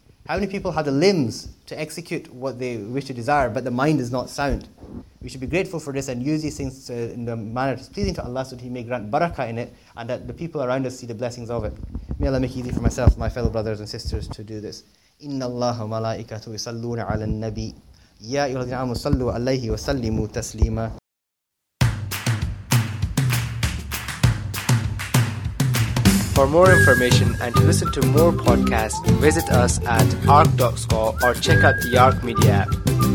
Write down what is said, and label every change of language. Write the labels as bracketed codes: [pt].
[en] How many people have the limbs to execute what they wish to desire, but the mind is not sound? We should be grateful for this and use these things in the manner that's pleasing to Allah, so that He may grant barakah in it, and that the people around us see the blessings of it. May Allah make it easy for myself and my fellow brothers and sisters to do this. [ar] إن الله وملائكته يصلون على النبي يا أيها الذين آمنوا صلوا عليه وسلموا تسليما. [en] For more information and to listen to more podcasts, visit us at arc.score or check out the Arc Media app.